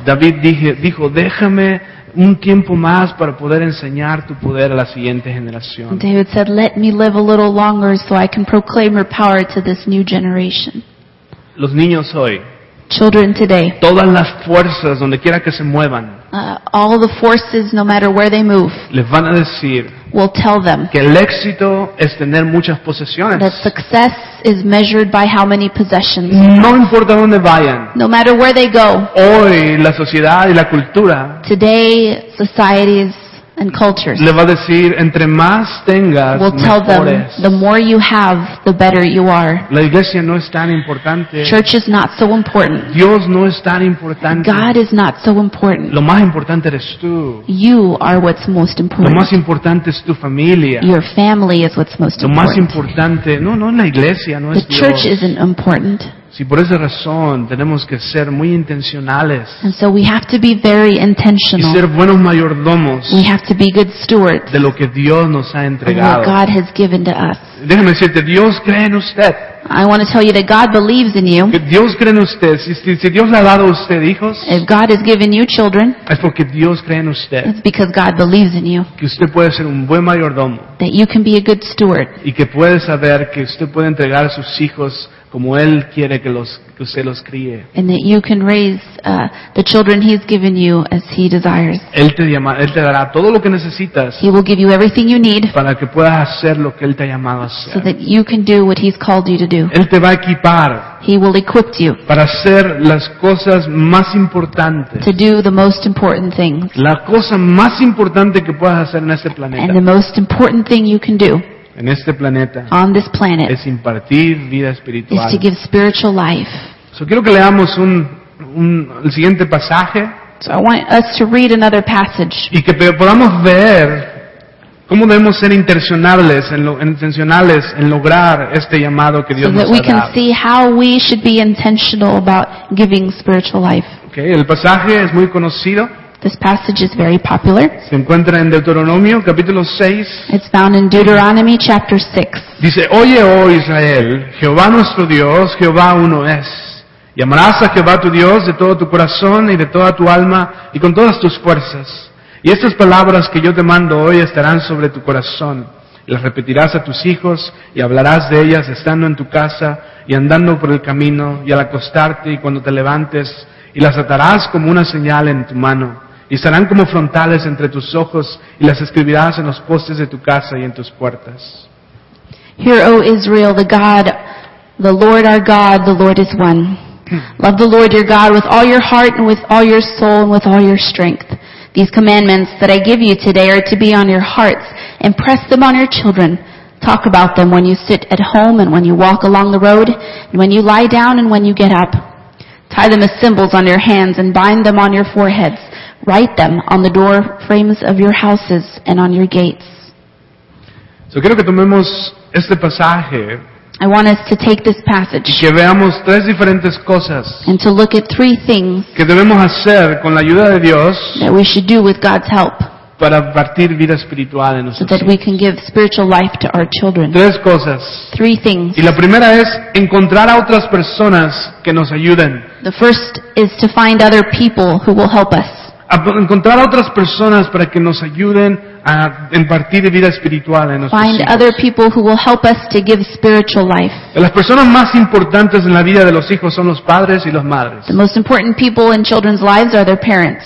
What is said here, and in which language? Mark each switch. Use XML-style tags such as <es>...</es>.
<es>David dijo, déjame un tiempo más para poder enseñar tu poder a la siguiente generación.</es> <en>David said, let me live a little longer so I can proclaim your power to this new generation.</en> <es>Los niños hoy.</es> <en>Children today.</en> <es>Todas las fuerzas donde quiera que se muevan.</es> <en>All the forces, no matter where they move,</en> <es>les van a decir,</es> <en>will tell them</en> <es>que el éxito es tener muchas posesiones.</es> <en>That success is measured by how many possessions.</en> <es>No importa dónde vayan,</es> <en>no matter where they go,</en> <es>hoy la sociedad y la cultura,</es> <en>today societies and cultures,</en> <es>le va a decir, entre más tengas,</es> <en>will tell them, the more you have, the better you are.</en> <es>La iglesia no es tan importante.</es> <en>Church is not so important.</en> <es>Dios no es tan importante.</es> <en>God is not so important.</en> <es>Lo más importante eres tú.</es> <en>You are what's most important.</en> <es>Lo más importante es tu familia.</es> <en>Your family is what's most important.</en> <es>Lo más importante, no en la iglesia, no es Dios.</es> <en>The church isn't important.</en> <es>Si por esa razón tenemos que ser muy intencionales.</es> <en>And so we have to be very intentional.</en> <es>Y ser buenos mayordomos.</es> <en>We have to be good stewards.</en> <es>De lo que Dios nos ha entregado.</es> <en>And what God has given to us.</en> <es>Déjeme decirte, Dios cree en usted.</es> <en>I want to tell you that God believes in you.</en> <es>Dios cree en usted. Si Dios le ha dado a usted hijos.</es> <en>If God has given you children.</en> <es>Es porque Dios cree en usted.</es> <en>It's because God believes in you.</en> <es>Que usted puede ser un buen mayordomo.</es> <en>That you can be a good steward.</en> <es>Y que puede saber que usted puede entregar a sus hijos como Él quiere que usted los críe.</es> <en>And that you can raise the children He's given you as He desires.</en> <es>Él te dará todo lo que necesitas.</es> <en>He will give you everything you need.</en> <es>Para que puedas hacer lo que Él te ha llamado a hacer.</es> <en>So that you can do what He's called you to do.</en> <es>Él te va a equipar.</es> <en>He will equip you.</en> <es>Para hacer las cosas más importantes.</es> <en>To do the most important things.</en> <es>La cosa más importante que puedas hacer en este planeta.</es> <en>And the most important thing you can do.</en> <es>En este planeta,</es> <en>on this planet,</en> <es>es impartir vida espiritual.</es> <en>Is to give spiritual life.</en> <es>So quiero que leamos el siguiente pasaje.</es> <en>So I want us to read another passage.</en> <es>Y que podamos ver cómo debemos ser intencionales en lograr este llamado que Dios nos ha dado.</es> <en>So that we can see how we should be intentional about giving spiritual life.</en> <es>Okay, el pasaje es muy conocido.</es> <en>This passage is very popular.</en> <es>Se encuentra en Deuteronomio, capítulo 6.</es> <en>It's found in Deuteronomy chapter 6.</en> <es>Dice, oye, oh Israel, Jehová nuestro Dios, Jehová uno es. Y amarás a Jehová tu Dios de todo tu corazón y de toda tu alma y con todas tus fuerzas. Y estas palabras que yo te mando hoy estarán sobre tu corazón. Las repetirás a tus hijos y hablarás de ellas estando en tu casa y andando por el camino y al acostarte y cuando te levantes. Y las atarás como una señal en tu mano, y estarán como frontales entre tus ojos, y las escribirás en los postes de tu casa y en tus puertas.</es> <en>Hear, O Israel, the God, the Lord our God, the Lord is one. Love the Lord your God with all your heart and with all your soul and with all your strength. These commandments that I give you today are to be on your hearts. Impress them on your children. Talk about them when you sit at home and when you walk along the road, and when you lie down and when you get up. Tie them as symbols on your hands and bind them on your foreheads. Write them on the door frames of your houses and on your gates.</en> <es>So quiero que tomemos este pasaje.</es> <en>I want us to take this passage.</en> <es>Que veamos tres diferentes cosas.</es> <en>And to look at three things.</en> <es>Que debemos hacer con la ayuda de Dios.</es> <en>That we should do with God's help.</en> <es>Para impartir vida espiritual en nosotros.</es> <en>So that we can give spiritual life to our children.</en> <es>Tres cosas.</es> <en>Three things.</en> <es>Y la primera es encontrar a otras personas que nos ayuden.</es> <en>The first is to find other people who will help us.</en> <es>A encontrar a otras personas para que nos ayuden a impartir vida espiritual en nosotros.</es> <en>Find other people who will help us to give spiritual life.</en> <es>Las personas más importantes en la vida de los hijos son los padres y las madres.</es> <en>The most important people in children's lives are their parents.</en>